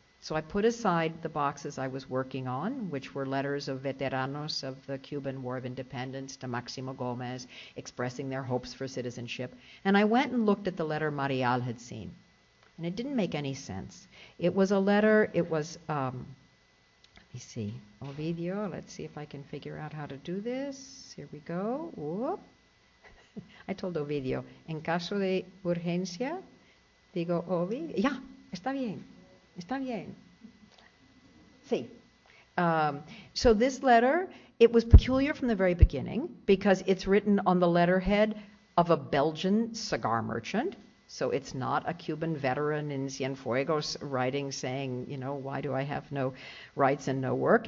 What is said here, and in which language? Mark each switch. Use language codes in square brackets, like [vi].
[en] So I put aside the boxes I was working on, which were letters of veteranos of the Cuban War of Independence to Máximo Gómez, expressing their hopes for citizenship, and I went and looked at the letter Marial had seen. And it didn't make any sense. It was a letter, it was, Ovidio, let's see if I can figure out how to do this. Here we go, whoop. I told Ovidio, [es] en caso de urgencia, digo, Ovi, ya, está bien. Está bien. Sí. [en] So this letter, it was peculiar from the very beginning because it's written on the letterhead of a Belgian cigar merchant. So it's not a Cuban veteran in Cienfuegos writing saying, you know, why do I have no rights and no work?